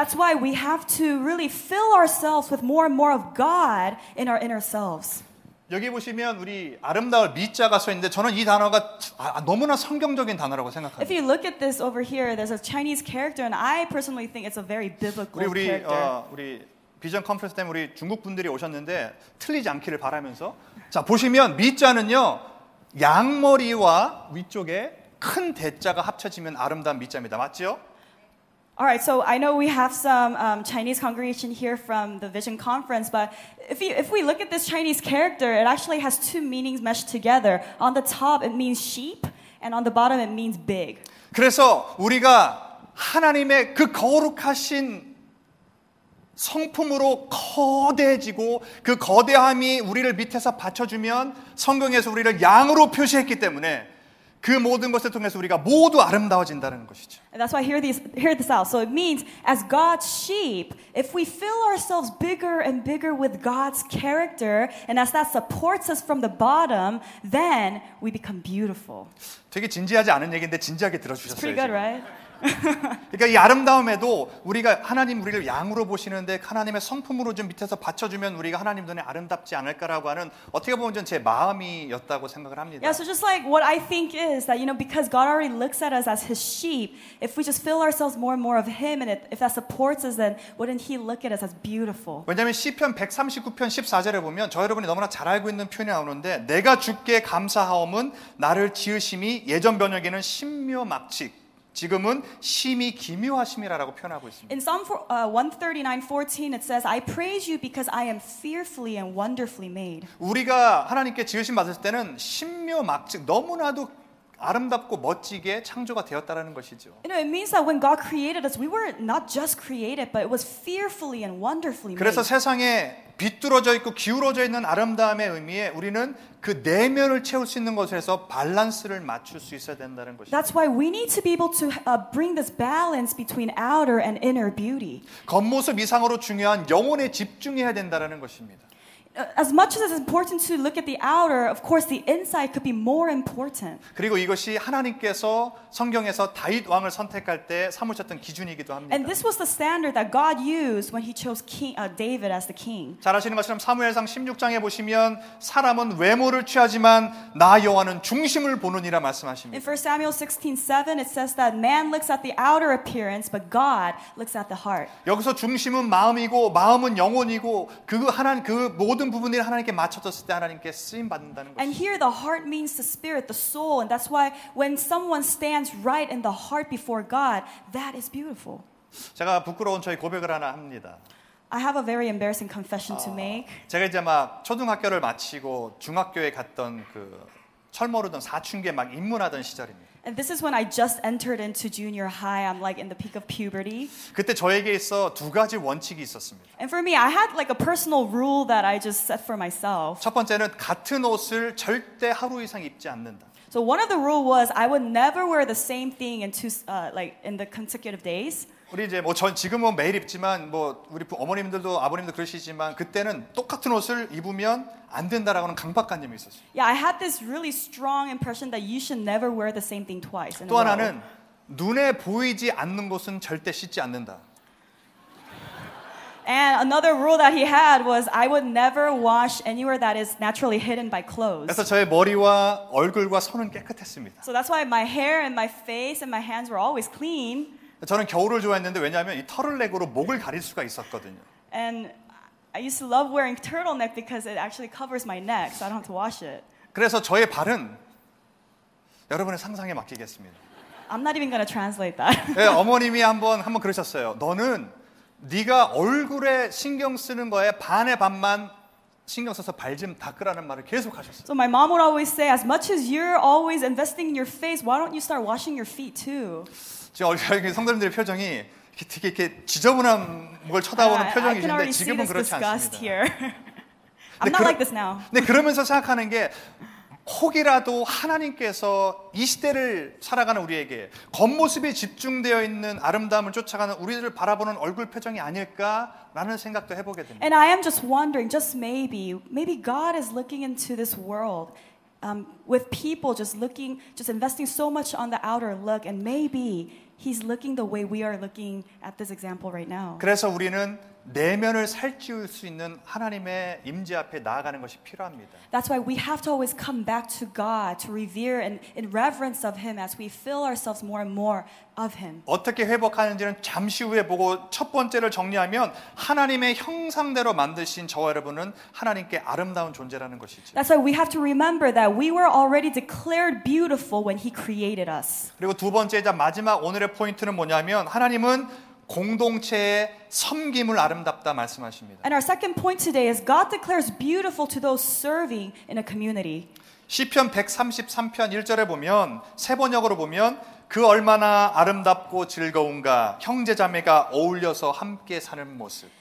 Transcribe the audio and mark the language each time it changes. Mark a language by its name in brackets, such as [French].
[English] That's why we have to really fill ourselves with more and more of God in our inner selves. [Korean] 여기 보시면 우리 아름다울 미자가 써 있는데 저는 이 단어가 너무나 성경적인 단어라고 생각합니다. [English] If you look at this over here, there's a Chinese character, and I personally think it's a very biblical character. [Korean] 우리 비전 컨퍼런스 때문에 우리 중국 분들이 오셨는데 틀리지 않기를 바라면서 자 보시면 미자는요 양머리와 위쪽에 큰 대자가 합쳐지면 아름다운 미자입니다. 맞죠? [English] All right, so I know we have some Chinese congregation here from the Vision Conference, but if we look at this Chinese character, it actually has two meanings meshed together. On the top, it means sheep, and on the bottom, it means big. [Korean] 그래서 우리가 하나님의 그 거룩하신 성품으로 거대해지고 그 거대함이 우리를 밑에서 받쳐주면 성경에서 우리를 양으로 표시했기 때문에 그 모든 것을 통해서 우리가 모두 아름다워진다는 것이죠. [English] And that's why hear this out. So it means as God's sheep, if we fill ourselves bigger and bigger with God's character, and as that supports us from the bottom, then we become beautiful. [Korean] 되게 진지하지 않은 얘기인데 진지하게 들어주셨어요. [English] It's pretty good, [Korean] 지금. [English] right? [Korean] 그러니까 이 아름다움에도 우리가 하나님 우리를 양으로 보시는데 하나님의 성품으로 좀 밑에서 받쳐주면 우리가 하나님 눈에 아름답지 않을까라고 하는 어떻게 보면 전 제 마음이었다고 생각을 합니다. [English] Yeah, so just like what I think is that you know because God already looks at us as His sheep, if we just fill ourselves more and more of Him, and if that supports us, then wouldn't He look at us as beautiful? [Korean] 왜냐하면 시편 139편 14절에 보면 저 여러분이 너무나 잘 알고 있는 표현이 나오는데 내가 주께 감사하옴은 나를 지으심이 예전 변역에는 신묘막측. 지금은 심히 기묘하심이라고 표현하고 있습니다. [English] In Psalm 139:14 it says I praise you because I am fearfully and wonderfully made. [Korean] 우리가 하나님께 지으심 받을 때는 신묘막측 너무나도 아름답고 멋지게 창조가 되었다라는 것이죠. [English] You know, it means that when God created us we were not just created but it was fearfully and wonderfully made. [Korean] 그래서 세상에 비뚤어져 있고 기울어져 있는 아름다움의 의미에 우리는 그 내면을 채울 수 있는 것에서 밸런스를 맞출 수 있어야 된다는 것입니다. [English] That's why we need to be able to bring this balance between outer and inner beauty. [Korean] 겉모습 이상으로 중요한 영혼에 집중해야 된다는 것입니다. [English] As much as it's important to look at the outer, of course the inside could be more important. [Korean] 그리고 이것이 하나님께서 성경에서 다윗 왕을 선택할 때 삼으셨던 기준이기도 합니다. [English] And this was the standard that God used when he chose king, David as the king. [Korean] 잘 아시는 것처럼 사무엘상 16장에 보시면 사람은 외모를 취하지만 나 여호와는 중심을 보느니라 말씀하십니다. [English] In 1 Samuel 16:7 it says that man looks at the outer appearance but God looks at the heart. [Korean] 여기서 중심은 마음이고 마음은 영혼이고 그 하나님 그 모든 부분들이 하나님께 맞춰졌을 때 하나님께 쓰임 받는다는 것. [English] And here the heart means the spirit, the soul, and that's why when someone stands right in the heart before God, that is beautiful. [Korean] 제가 부끄러운 저의 고백을 하나 합니다. [English] I have a very embarrassing confession to make. [Korean] 제가 이제 막 초등학교를 마치고 중학교에 갔던 그 철모르던 사춘기에 막 입문하던 시절입니다. [English] And this is when I just entered into junior high. I'm like in the peak of puberty. [Korean] 그때 저에게 있어 두 가지 원칙이 있었습니다. [English] And for me, I had like a personal rule that I just set for myself. [Korean] 첫 번째는 같은 옷을 절대 하루 이상 입지 않는다. [English] So one of the rules was I would never wear the same thing in two, like in the consecutive days. [Korean] 우리 이제 뭐 전 지금은 매일 입지만 뭐 우리 어머님들도 아버님도 그러시지만 그때는 똑같은 옷을 입으면 안 된다라고는 강박관념이 있었어요. [English] Yeah, I had this really strong impression that you should never wear the same thing twice. [Korean] 또 하나는 눈에 보이지 않는 것은 절대 씻지 않는다. [English] And another rule that he had was I would never wash anywhere that is naturally hidden by clothes. [Korean] 그래서 저의 머리와 얼굴과 손은 깨끗했습니다. [English] So that's why my hair and my face and my hands were always clean. [Korean] 저는 겨울을 좋아했는데 왜냐하면 이 터틀넥으로 목을 가릴 수가 있었거든요. [English] And I used to love wearing turtleneck because it actually covers my neck, so I don't have to wash it. [Korean] 그래서 저의 발은 여러분의 상상에 맡기겠습니다. [English] I'm not even gonna translate that. [Korean] 네, 어머님이 한번 그러셨어요. 너는 네가 얼굴에 신경 쓰는 거에 반의 반만 신경 써서 발 좀 닦으라는 말을 계속 하셨어요. [English] So my mom would always say, as much as you're always investing in your face, why don't you start washing your feet too? [Korean] 지금 성도님들의 표정이 이렇게 지저분한 걸 쳐다보는 표정이신데 지금은 그렇지 않습니다. [English] I'm not like this now. [Korean] 근데 그러면서 생각하는 게 혹이라도 하나님께서 이 시대를 살아가는 우리에게 겉모습에 집중되어 있는 아름다움을 쫓아가는 우리를 바라보는 얼굴 표정이 아닐까라는 생각도 해보게 됩니다. [English] And I am just wondering, just maybe God is looking into this world. With people just looking, just investing so much on the outer look, and maybe he's looking the way we are looking at this example right now. [Korean] 그래서 우리는 내면을 살찌울 수 있는 하나님의 임재 앞에 나아가는 것이 필요합니다. [English] That's why we have to always come back to God to revere and in reverence of Him as we fill ourselves more and more of Him. [Korean] 어떻게 회복하는지는 잠시 후에 보고 첫 번째를 정리하면 하나님의 형상대로 만드신 저와 여러분은 하나님께 아름다운 존재라는 것이지. [English] That's why we have to remember that we were already declared beautiful when He created us. [Korean] 그리고 두 번째이자 마지막 오늘의 포인트는 뭐냐면 하나님은 공동체의 섬김을 아름답다 말씀하십니다. [English] And our second point today is God declares beautiful to those serving in a community. [Korean] 시편 133편 1절에 보면 새 번역으로 보면 그 얼마나 아름답고 즐거운가 형제자매가 어울려서 함께 사는 모습.